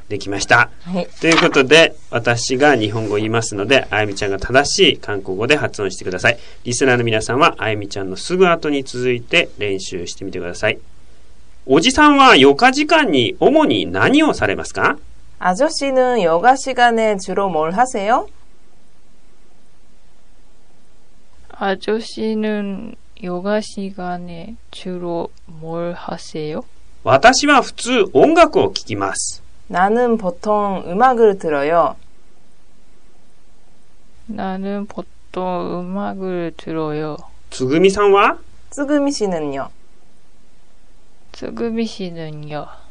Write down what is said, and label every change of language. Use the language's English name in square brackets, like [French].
[Japanese] できました、はい、ということで私が日本語を言いますので、あゆみちゃんが正しい韓国語で発音してください。リスナーの皆さんはあゆみちゃんのすぐ後に続いて練習してみてください。おじさんは余暇時間に主に何をされますか？ [Korean] 아저씨는여가시간에주로뭘하세요? 아저씨는요가시간에주로뭘하세요? [Japanese] 私は普通音楽を聴きます。 [Korean] 나는보통음악을들어요。 나는보통음악을들어요。 [Japanese] つぐみさんは? [Korean] つぐみ씨는요。つぐみ씨는요。